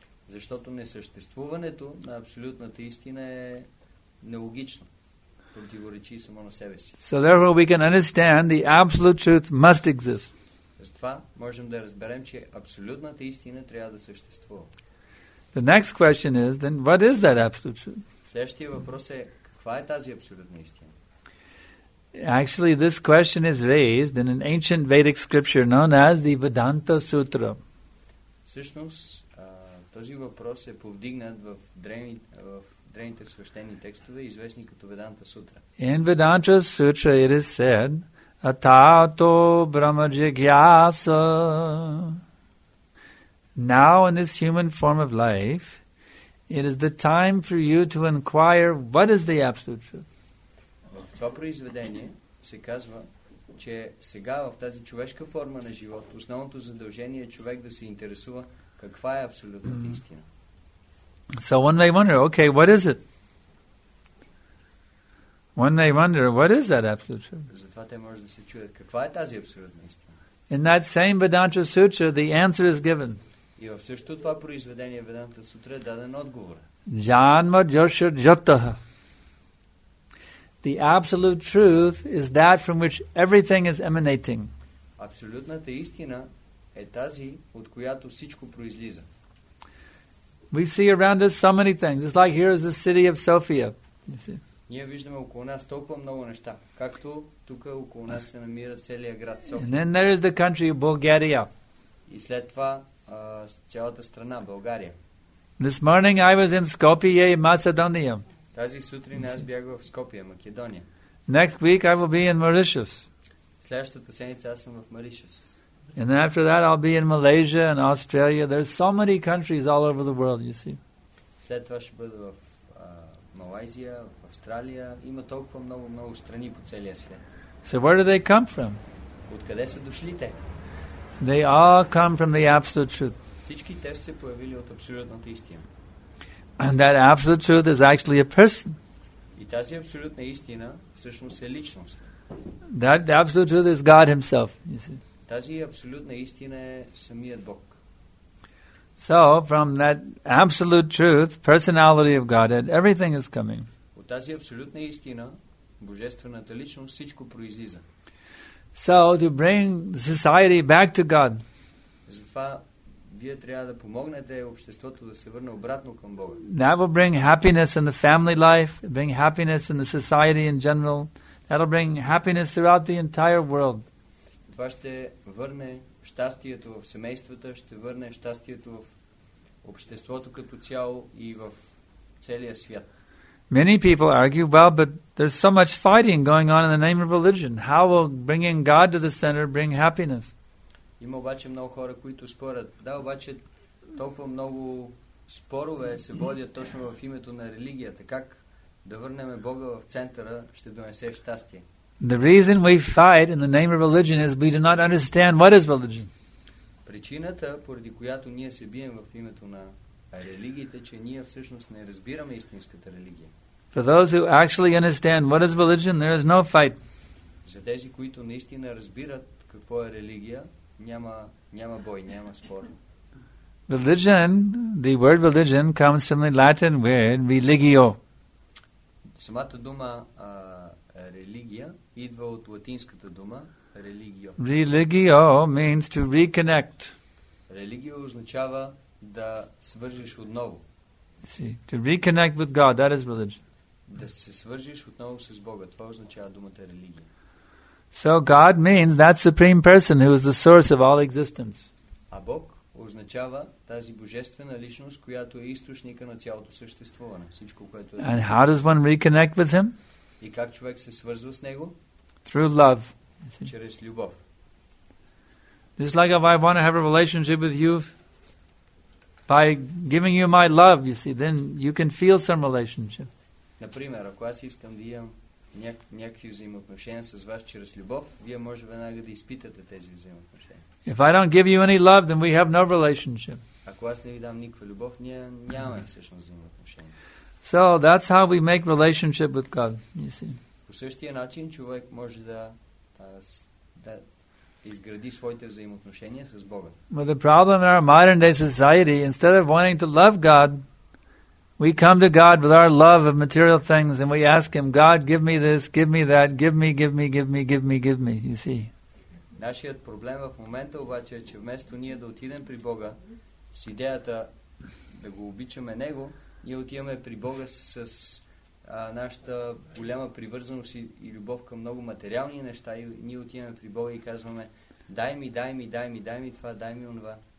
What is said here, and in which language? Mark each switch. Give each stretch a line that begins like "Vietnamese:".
Bulgarian: Защото несъществуването на абсолютната истина е нелогично. Противоречи само на себе си.
English: So therefore we can understand the absolute truth must exist.
Bulgarian: Затова можем да разберем, че абсолютната истина трябва да съществува.
English: The next question is, then what is that absolute truth?
Bulgarian: Следващия въпрос е, каква е тази абсолютна истина?
English: Actually, this question is raised in an ancient Vedic scripture known as the Vedanta Sutra.
Bulgarian: Всъщност, този въпрос е повдигнат в древните свещени текстове, известни като Vedanta Sutra.
English: In Vedanta Sutra it is said,
Sanskrit: Atato Brahma Jigyasa.
English: Now in this human form of life, it is the time for you to inquire what is the absolute truth.
Bulgarian: Това произведение се казва, че сега в тази човешка форма на живот, основното задължение е човек да се интересува каква е абсолютната истина.
English: So one may wonder, okay, what is it? One may wonder, what is that absolute truth?
Bulgarian: Затова те може да се чуят, каква е тази абсолютна истина?
English: In that same Vedanta Sutra, the answer is given.
Bulgarian: И в същото това произведение Vedanta Sutra е даден отговор.
Sanskrit: Janma Jasya Jataha.
English: The absolute truth is that from which everything is emanating.
Bulgarian: Абсолютната истина е тази, от която всичко произлиза.
English: We see around us so many things. It's like here is the city of Sofia.
Bulgarian: Ние виждаме около нас толкова много неща, както тук около нас се намира целият град София.
English: And then there is the country of Bulgaria.
Bulgarian: И след това цялата страна България.
English: This morning I was in Skopje, Macedonia.
Bulgarian: Тази сутрин аз бях в Скопия, Македония.
English: Next week I will be in Mauritius.
Bulgarian: Следващата седмица аз съм в Маришус.
English: And then after that I'll be in Malaysia and Australia. There's so many countries all over the world, you see.
Bulgarian: След това ще бъда в Малайзия, в Австралия. Има толкова много страни по целия свят.
English: So where do they come from?
Bulgarian: Откъде са дошли те?
English: They all come from the absolute truth.
Bulgarian: Всички те са се появили от абсолютната истина.
English: And that absolute truth is actually a person.
Bulgarian: И тази абсолютна истина всъщност е личност.
English: That absolute truth is God himself, you see.
Bulgarian: Тази абсолютна истина е самият Бог.
English: So, from that absolute truth, personality of Godhead, everything is coming.
Bulgarian: От тази абсолютна истина, божествената личност, всичко произлиза.
English: So, to bring society back to God.
Bulgarian: Затова вие трябва да помогнете обществото да се върне обратно към Бога.
English: That will bring happiness in the family life, bring happiness in the society in general. That will bring happiness throughout the entire world.
Bulgarian: Това ще върне щастието в семействата, ще върне щастието в обществото като цяло и в целия свят.
English: Many people argue, well, but there's so much fighting going on in the name of religion. How will bringing God to the center bring happiness?
Bulgarian: Има обаче много хора, които спорят. Да, обаче толкова много спорове се водят точно в името на религията. Как да върнем Бога в центъра ще донесе щастие?
English: The reason we fight in the name of religion is we do not understand what is religion.
Bulgarian: Причината, поради която ние се бием в името на религиите, че ние всъщност не разбираме истинската религия.
English: For those who actually understand what is religion, there is no fight.
Bulgarian: За тези, които наистина разбират какво е религия, няма бой, няма спор.
English: Religion, the word religion comes from the Latin word religio.
Bulgarian: Самата дума религия идва от латинската дума religio.
English: Religio means to reconnect.
Bulgarian: Религио означава да свържиш отново.
English: See, to reconnect with God, that is religion.
Bulgarian: Да се свържиш отново с Бога, това означава думата религия.
English: So God means that supreme person who is the source of all existence.
Bulgarian: А Бог означава тази божествена личност, която е източника на цялото съществуване, всичко, което е.
English: And how does one reconnect with him?
Bulgarian: И как човек се свързва с него?
English: Through love.
Bulgarian: Чрез любов.
English: Just like if I want to have a relationship with you by giving you my love, you see, then you can feel some relationship.
Bulgarian: Например, ако аз искам да имам някакви взаимоотношения с вас чрез любов, вие може веднага да изпитате тези взаимоотношения.
English: If I don't give you any love, then we have no relationship.
Bulgarian: Ако аз не ви дам никаква любов, ние нямаме всъщност взаимоотношения.
English: So that's how we make relationship with God, you see.
Bulgarian: По същия начин човек може да изгради своите взаимоотношения с Бога.
English: But the problem in our modern day society, instead of wanting to love God, we come to God with our love of material things and we ask Him, God, give me this, give me that, give me, give me, give me, give me, give me, you see.
Bulgarian: Нашият проблем в момента обаче е, че вместо ние да отидем при Бога с идеята да го обичаме Него, ние отиваме при Бога с нашата голяма привързаност и любов към много материални неща и ние отиваме при Бога и казваме дай ми, дай ми, дай ми, дай ми това, дай ми онова.